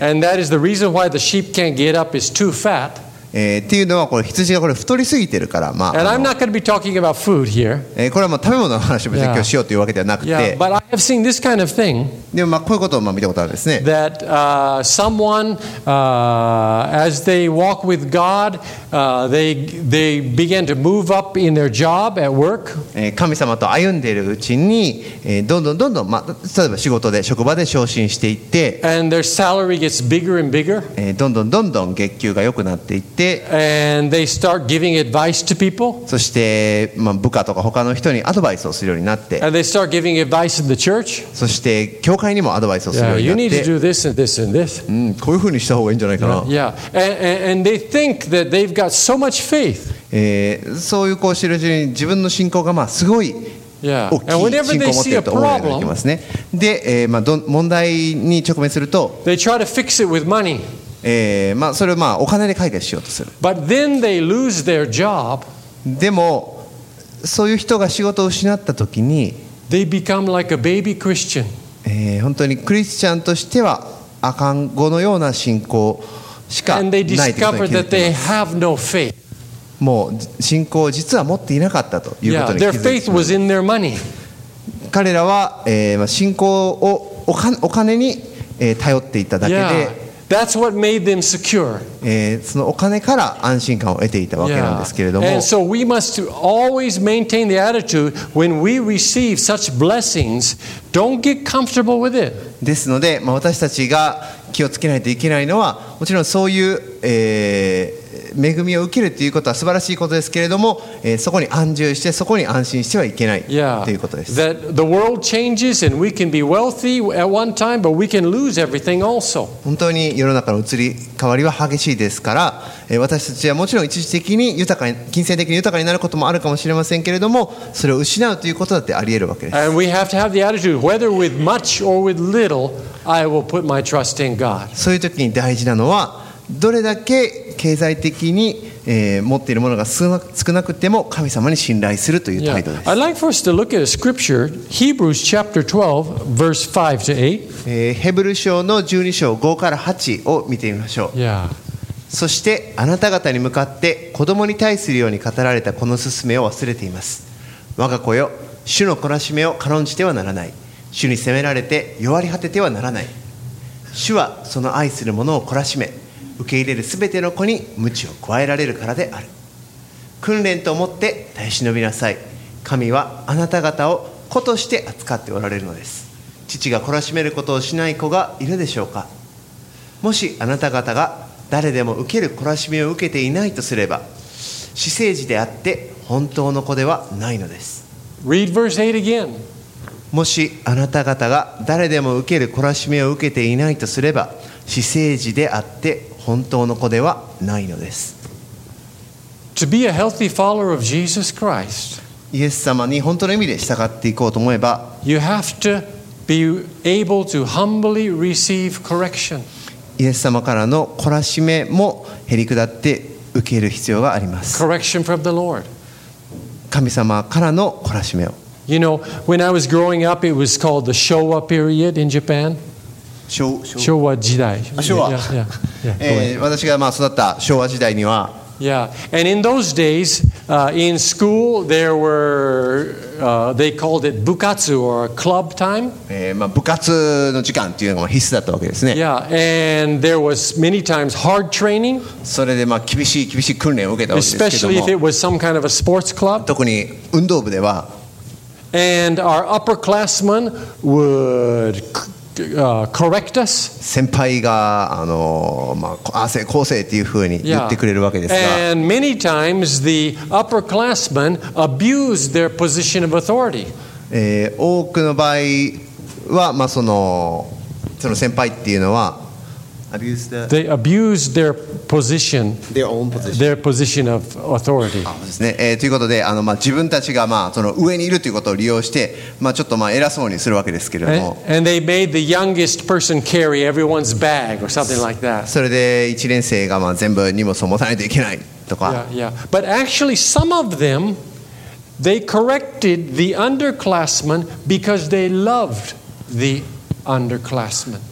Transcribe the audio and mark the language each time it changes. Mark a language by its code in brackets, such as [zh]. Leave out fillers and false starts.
[en] And that is the reason why the sheep can't get up is too fat. [ja] っていうのはこれ羊がこれ太りすぎてるから、まあ、 [en] And I'm not going to be talking about food here. [ja] これはもう食べ物の話を説教しようというわけではなくて、 [en] yeah. Yeah. But I have seen this kind of thing. [ja] でもまあこういうことをまあ見たことあるんですね。 [en] That someone as they walk with God, they begin to move up in their job at work. [ja] 神様と歩んでいるうちに、どんどんどんどん、まあ、例えば仕事で職場で昇進していって、 [en] And their salary gets bigger and bigger. [ja] どんどんどんどん月給が良くなっていって、 [en] And they start giving advice to people. [ja] そして、まあ、部下とか他の人にアドバイスをするようになって、 [en] And they start giving advice in the church. [ja] そして教会にもアドバイスをするようになって、 [en] You need to do this and this and this. [ja] うん、こういうふうにした方がいいんじゃないかな。 [en] Yeah. And they think that they've got so much faith. [ja] そういうこう知るうちに自分の信仰がまあすごい。 [en] Yeah. And whenever they see a problem, [ja] で、まあ、問題に直面すると、 [en] they try to fix it with money. [ja] まあ、それをまあお金で解決しようとする。 [en] But then they lose their job. [ja] でもそういう人が仕事を失った時に、 [en] they become like a baby Christian. [ja] 本当にクリスチャンとしては赤ん子のような信仰しかないということに気づいています。もう信仰を実は持っていなかったということに気づいています。 [en] Yeah, their faith was in their money. [ja] 彼らは、まあ、信仰をお金に、頼っていただけで、 [en] yeah. That's what made them secure. [ja] そのお金から安心感を得ていたわけなんですけれども。 [en] Yeah. And so we must always maintain the attitude when we receive such blessings, don't get comfortable with it. [ja] ですので、まあ、私たちが気をつけないといけないのは、もちろんそういう、恵みを受けるということは素晴らしいことですけれども、そこに安住してそこに安心してはいけない、 [en] yeah. [ja] ということです。 [en] That the world changes and we can be wealthy at one time, but we can lose everything also. [ja] 本当に世の中の移り変わりは激しいですから、私たちはもちろん一時的に豊かに金銭的に豊かになることもあるかもしれませんけれども、それを失うということだってあり得るわけです。 [en] And we have to have the attitude, whether with much or with little, I will put my trust in God. [ja] そういう時に大事なのは、どれだけ経済的に、持っているものが少なくても神様に信頼するという態度です。 [en] I'd like for us to look at a scripture, Hebrews chapter 12, verse 5 to 8. [ja] ヘブル書の12章5から8を見てみましょう。 [en] Yeah. [ja] そしてあなた方に向かって子供に対するように語られたこの勧めを忘れています。我が子よ、主の懲らしめを軽んじてはならない。主に責められて弱り果ててはならない。主はその愛する者を懲らしめ、受け入れるすべての子に鞭を加えられるからである。訓練と思って耐え忍びなさい。神はあなた方を子として扱っておられるのです。父が懲らしめることをしない子がいるでしょうか。もしあなた方が誰でも受ける懲らしめを受けていないとすれば、私生児であって本当の子ではないのです。 [en] Read verse 8 again. [ja] もしあなた方が誰でも受ける懲らしめを受けていないとすれば、私生児であって本当の子ではないのです。 [en] To be a healthy follower of Jesus Christ, [ja] イエス様に本当の意味で従っていこうと思えば、 [en] You have to be able to humbly receive correction. [ja] イエス様からの懲らしめも減り下って受ける必要があります。 [en] Correction from the Lord. [ja] 神様からの懲らしめを。 [en] You know, when I was growing up, it was called the Showa period in Japan. [ja] 昭和時代。昭和。私がまあ育った昭和時代には。 [en] Yeah. And in those days, in school, there were, they called it 部活 or club time. [ja] まあ部活の時間っていうのが必須だったわけですね。 [en] Yeah. And there was many times hard training. [ja] それでまあ厳しい訓練を受けたわけですけども。 [en] Especially if it was some kind of a sports club. [ja] 特に運動部では。 [en] And our upperclassmen would. Correct us. [ja] 先輩が亜生、後生というふうに言ってくれるわけですが、 [en] And many times the upperclassmen abused their position of authority. [ja] 多くの場合は、まあ、その先輩っていうのは [en] They abused their position. Their own position. Their position of authority. [ja] ですね。ということで、まあ、自分たちが、まあ、その上にいるということを利用して、まあ、ちょっと、まあ、偉そうにするわけですけれども。 [en] And they made the youngest person carry everyone's bag or something like that. [ja] それで一年生が、まあ、全部荷物を持たないといけないとか。 [en] Yeah, yeah. But actually, some of them, they corrected the underclassmen because they loved the underclassmen.